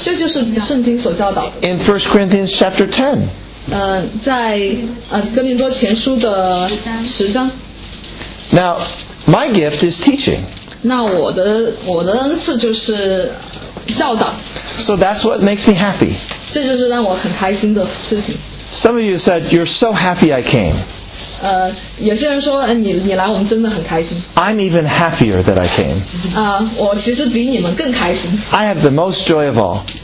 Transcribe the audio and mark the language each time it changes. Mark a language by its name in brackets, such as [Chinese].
[English] In 1 Corinthians chapter 10. [Chinese] 在哥林多前书的十章。 [English] Now, my gift is teaching. [Chinese] 那我的恩赐就是教导。 [English] So that's what makes me happy. [Chinese] 这就是让我很开心的事情。 [English] Some of you said, you're so happy I came. [Chinese] 有些人说你来我们真的很开心。 [English] I'm even happier that I came. [Chinese] 我其实比你们更开心。 [English] I have the most joy of all.